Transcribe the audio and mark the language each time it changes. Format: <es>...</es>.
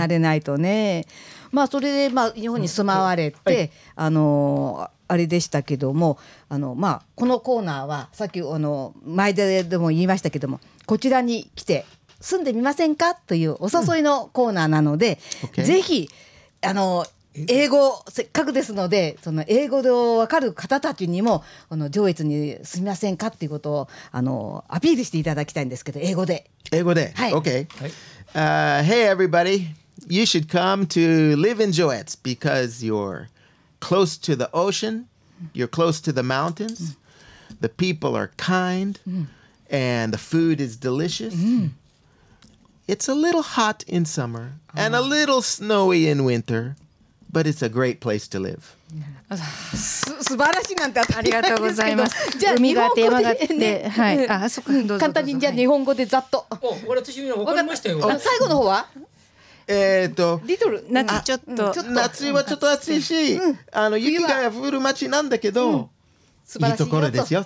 <ja>慣れないとねまあそれで、まあ、日本に住まわれて、うんはい、あれでしたけどもまあ、このコーナーはさっき前でも言いましたけどもこちらに来て住んでみませんかというお誘いのコーナーなので、うん、ぜひ英語せっかくですのでその英語で分かる方たちにもこの上越に住みませんかということをアピールしていただきたいんですけど英語で英語で、はい、</ja> <en>OK、Hey everybody You should come to live in 上越 Because you're close to the ocean You're close to the mountains The people are kind And the food is delicious It's a little hot in summer and a little snowy in winter, but it's a great place to live.</en> <ja>素晴らしいなんてありがとうございます。じゃあ海があって山があって、はい。あ、そこ簡単にじゃあ日本語でざっと。お、私みんな分かりましたよ。最後の方は？リトル夏ちょっと、うん、夏はちょっと暑いし、うん、あの雪が降る町なんだけど、うん、素晴らしいところですよ、</ja>